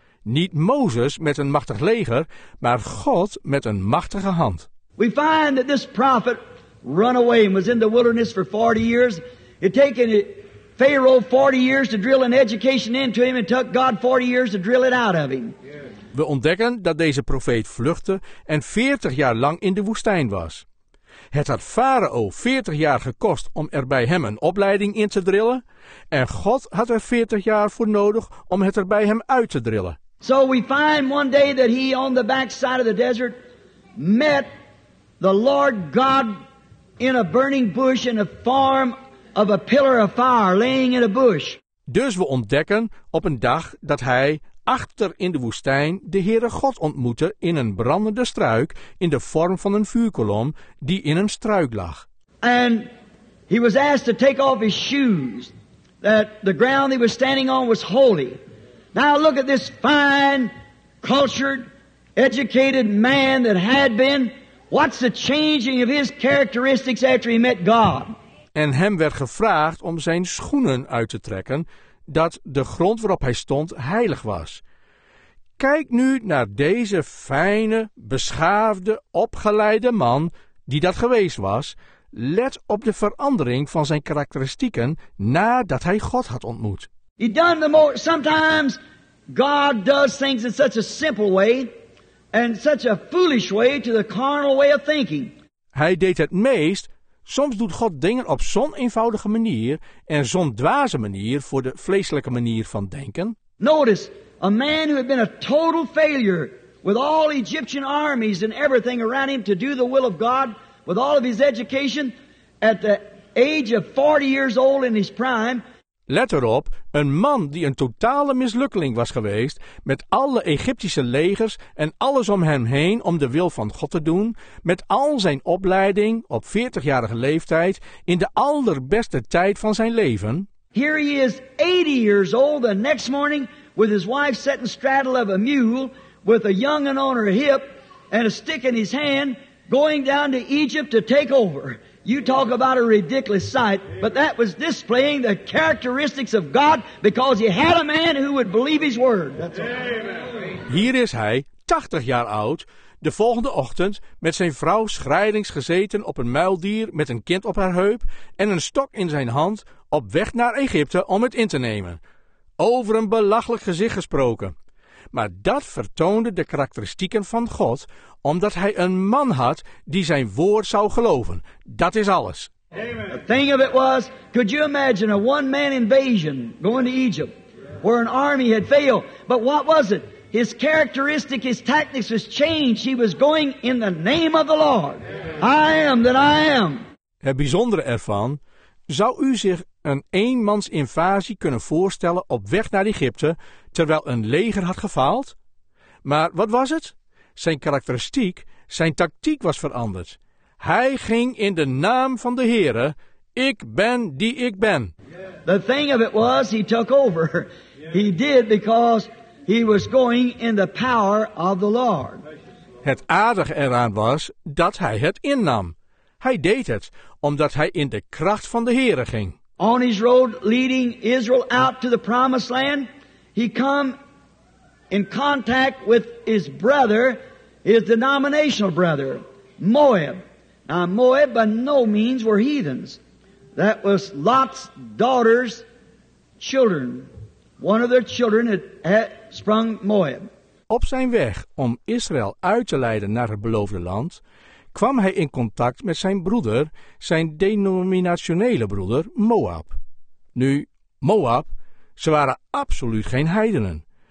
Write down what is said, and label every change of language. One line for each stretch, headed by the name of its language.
Dutch: Niet Mozes met een machtig leger, maar God met een machtige hand.
English: We find that this prophet run away and was in the wilderness for 40 years. It taken Pharaoh 40 years to drill an education into him and took God 40 years to drill it out of him.
Dutch: We ontdekken dat deze profeet vluchtte en 40 jaar lang in de woestijn was. Het had Farao 40 jaar gekost om er bij hem een opleiding in te drillen, en God had er 40 jaar voor nodig om het er bij hem uit te drillen.
English: So we find one day that he on the backside of the desert met the Lord God in a burning bush in the form of a pillar of fire laying in a bush.
Dutch: Dus we ontdekken op een dag dat hij achter in de woestijn de Heere God ontmoette in een brandende struik in de vorm van een vuurkolom die in een struik lag.
English: And he was asked to take off his shoes, that the ground he was standing on was holy. Now look at this fine, cultured, educated man that had been. What's the changing of his characteristics after he met God?
Dutch: En hem werd gevraagd om zijn schoenen uit te trekken, dat de grond waarop hij stond heilig was. Kijk nu naar deze fijne, beschaafde, opgeleide man die dat geweest was. Let op de verandering van zijn karakteristieken nadat hij God had ontmoet.
English: He done the most. Sometimes God does things in such a simple way and such a foolish way to the carnal way of thinking.
Dutch: Hij deed het meest. Soms doet God dingen op zo'n eenvoudige manier en zo'n dwaze manier voor de vleeselijke manier van denken.
English: Notice, a man who had been a total failure with all Egyptian armies and everything around him to do the will of God, with all of his education, at the age of 40 years old in his prime.
Dutch: Let erop, een man die een totale mislukkeling was geweest, met alle Egyptische legers en alles om hem heen om de wil van God te doen, met al zijn opleiding op 40-jarige leeftijd, in de allerbeste tijd van zijn leven.
English: Here he is 80 years old the next morning with his wife sitting straddle of a mule with a young un on her hip and a stick in his hand going down to Egypt to take over. You talk about a ridiculous sight, but that was displaying the characteristics of God because he had a man who would believe his word. That's all.
Dutch: Hier is hij, 80 jaar oud, de volgende ochtend met zijn vrouw schrijlings gezeten op een muildier met een kind op haar heup en een stok in zijn hand op weg naar Egypte om het in te nemen. Over een belachelijk gezicht gesproken. Maar dat vertoonde de karakteristieken van God, omdat hij een man had die zijn woord zou geloven. Dat is alles. Amen.
English: The thing of it was, could you imagine a one-man invasion going to Egypt, where an army had failed? But what was it? His characteristic, his tactics was changed. He was going in the name of the Lord. I am that I am.
Dutch: Het bijzondere ervan, zou u zich een eenmans invasie kunnen voorstellen op weg naar Egypte, terwijl een leger had gefaald? Maar wat was het? Zijn karakteristiek, zijn tactiek was veranderd. Hij ging in de naam van de Heere, ik ben die ik ben.
English: The thing of it was, he took over. He did because he was going in the power of the Lord.
Dutch: Het aardige eraan was dat hij het innam. Hij deed het, omdat hij in de kracht van de Heere ging.
English: On his road leading Israel out to the promised land, he come in contact with his brother, his denominational brother, Moab. Now Moab by no means were heathens. That was Lot's daughter's children. One of their children had sprung Moab.
Dutch: Op zijn weg om Israël uit te leiden naar het beloofde land, kwam hij in contact met zijn broeder, zijn denominationele broeder, Moab. Nu, Moab, ze waren absoluut geen heidenen.